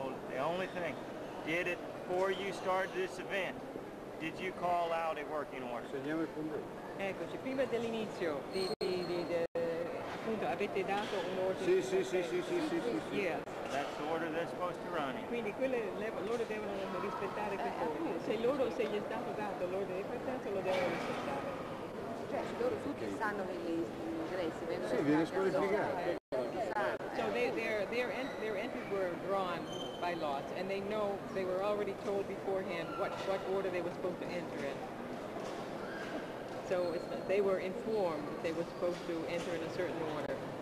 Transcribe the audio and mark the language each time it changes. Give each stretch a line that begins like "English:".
English: The only thing, did it before you started this event, did you call out a working order?
Italian: Segniamo il punto. Eccoci, prima dell'inizio appunto avete dato un ordine. Sì.
English: That's the order they're supposed to run in.
Italian: Quindi loro devono rispettare questo ordine. Se loro se gli è stato dato l'ordine di partenza lo devono rispettare. Cioè, loro tutti sanno negli ingressi, vengono squalificati.
English: So their entries were drawn by lot, and they know they were already told beforehand what order they were supposed to enter in. So they were informed that they were supposed to enter in a certain order.